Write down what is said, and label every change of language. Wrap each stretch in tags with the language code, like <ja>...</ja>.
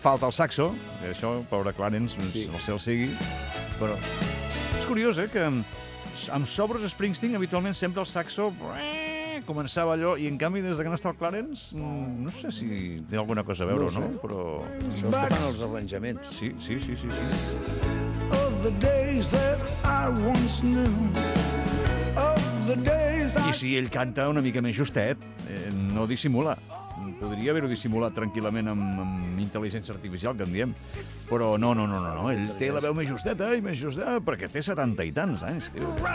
<ca>Falta el saxo, això, pobre Clarence, sí. No sé el sigui, però... És curiós, que amb sobres Springsteen, habitualment sempre el saxo... Començava allò, i en canvi, des que no està el Clarence, no sé si té alguna cosa a veure, no? Però... Això es fan els arranjaments. Sí.</ca> <en>Of the days that I once knew. Of the days I...</en> <ca>I si ell canta una mica més justet, no dissimula. Podria haver-ho dissimulat tranquil·lament amb intel·ligència artificial, que en diem. Però no. Ell té la veu més justeta, i més justa, perquè té 70 i tants anys, tio.</ca>